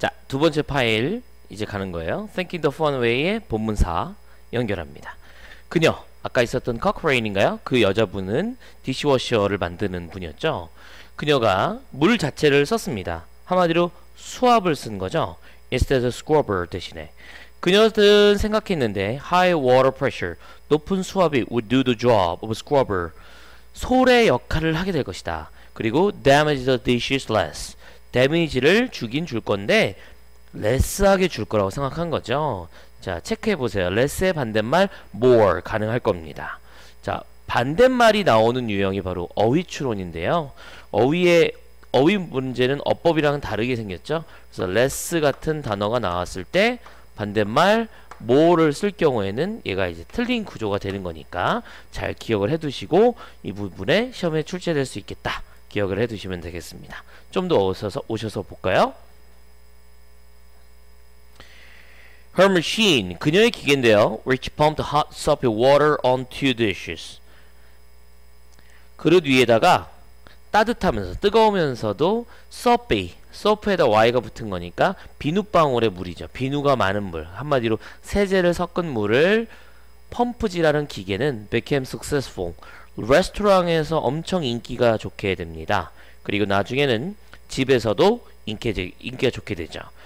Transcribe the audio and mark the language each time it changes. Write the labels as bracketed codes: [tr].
[ko] 두 번째 파일 이제 가는 거예요. Thinking the Fun Way의 본문사 연결합니다. 그녀, 아까 있었던 코크레인인가요? 그 여자분은 디시워셔를 만드는 분이었죠. 그녀가 물 자체를 썼습니다. 한마디로 수압을 쓴 거죠. [en] Instead of scrubber [ko] 대신에. 그녀는 생각했는데 [en] High water pressure, [ko] 높은 수압이 [en] would do the job of scrubber. [ko] 솔의 역할을 하게 될 것이다. 그리고 [en] damage the dishes less, [ko] 데미지를 주긴 줄 건데 레스하게 줄 거라고 생각한 거죠. 자, 체크해 보세요. 레스의 반대말 more 가능할 겁니다. 자, 반대말이 나오는 유형이 바로 어휘 추론인데요. 어휘 문제는 어법이랑 다르게 생겼죠. 그래서 레스 같은 단어가 나왔을 때 반대말 more를 쓸 경우에는 얘가 이제 틀린 구조가 되는 거니까 잘 기억을 해 두시고 이 부분에 시험에 출제될 수 있겠다. 기억을 해 두시면 되겠습니다. 좀더 오셔서 볼까요? [en] Her machine, [ko] 그녀의 기계인데요. [en] Which pumped hot soapy water on two dishes. [ko] 그릇 위에다가 따뜻하면서 뜨거우면서도 soapy, soap에다 y가 붙은 거니까 비눗방울의 물이죠. 비누가 많은 물. 한마디로 세제를 섞은 물을 펌프질하는 기계는 [en] became successful. [ko] 레스토랑에서 엄청 인기가 좋게 됩니다. 그리고 나중에는 집에서도 인기가 좋게 되죠.